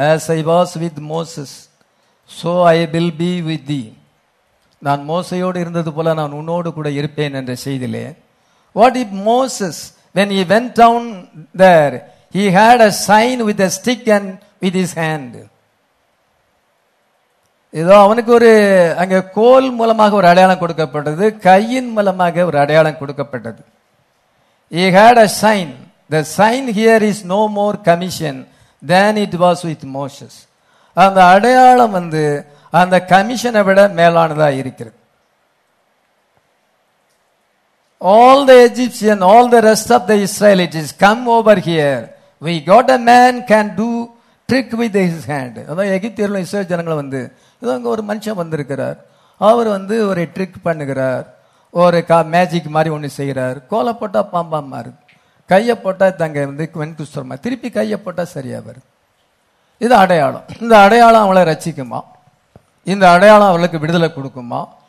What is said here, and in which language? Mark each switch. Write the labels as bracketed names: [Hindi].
[English] As I was with Moses, so I will be with thee. [Tamil] நான் மோசையோடு இருந்தது போல நான் உன்னோடு கூட இருப்பேன் என்ற செய்தியிலே. [English] What if Moses, when he went down there, he had a sign with a stick and with his hand. [Tamil] இதோ அவனுக்கு ஒரு அங்கே கோல் மூலமாக ஒரு அடையாளம் கொடுக்கப்பட்டது, கையின் மூலமாக ஒரு அடையாளம் கொடுக்கப்பட்டது. [English] He had a sign. The sign here is no more commission than it was with Moses. [Tamil] அந்த அடையாளம் வந்து அந்த கமிஷனை விட மேலானதா இருக்கிறது. [English] All the Egyptian, all the rest of the Israelites come over here. We got a man can do trick with his hand. [Tamil] அதான் எகிப்தியர்களும் Israel ஜனங்களும் வந்து இது அங்கே ஒரு மனுஷன் வந்திருக்கிறார், அவர் வந்து ஒரு ட்ரிக் பண்ணுகிறார், ஒரு மேஜிக் மாதிரி ஒன்று செய்கிறார், கோலை போட்டால் பாம்பா மாறுது, கையை போட்டால் தங்க வந்து வெண்குஸ்தரமாக, திருப்பி கையை போட்டால் சரியாக வருது. இது அடையாளம். இந்த அடையாளம் அவளை ரசிக்குமா? இந்த அடையாளம் அவளுக்கு விடுதலை கொடுக்குமா?